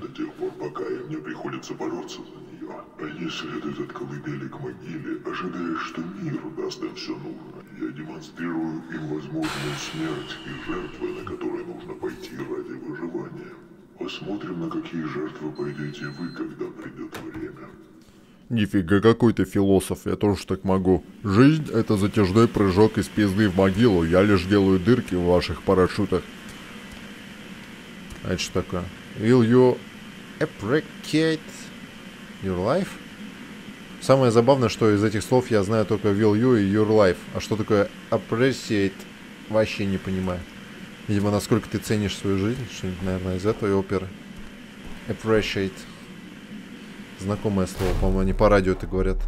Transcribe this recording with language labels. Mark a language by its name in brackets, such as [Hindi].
[Russian] До тех пор, пока мне приходится бороться за нее. А если от этот колыбели к могиле ожидаешь, что мир даст им все нужное, я демонстрирую им возможную смерть и жертвы, на которые нужно пойти ради выживания. Посмотрим, на какие жертвы пойдете вы, когда придет время. Нифига, какой ты философ, я тоже так могу. Жизнь — это затяжной прыжок из пизды в могилу, я лишь делаю дырки в ваших парашютах. А это что такое? [English] Will you appreciate your life? [Russian] Самое забавное, что из этих слов я знаю только [English] will you [Russian] и [English] your life. [Russian] А что такое appreciate, вообще не понимаю. Видимо, насколько ты ценишь свою жизнь, что-нибудь, наверное, из этой оперы. [English] Appreciate. [Russian] Знакомое слово, по-моему, они по радио это говорят.